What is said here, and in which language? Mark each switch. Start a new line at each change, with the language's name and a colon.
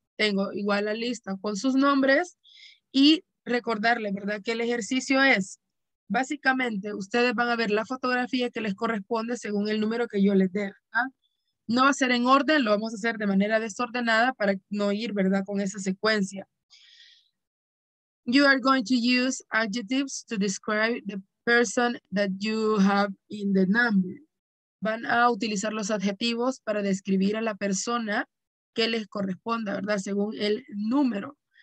Spanish: Tengo igual la lista con sus nombres. Y recordarles, ¿verdad?, que el ejercicio es... Básicamente, ustedes van a ver la fotografía que les corresponde según el número que yo les dé. No va a ser en orden, lo vamos a hacer de manera desordenada para no ir, ¿verdad?, con esa secuencia.
English: You are going to use adjectives to describe the person that you have in the number.
Spanish: Van a utilizar los adjetivos para describir a la persona que les corresponda, ¿verdad?, según el número.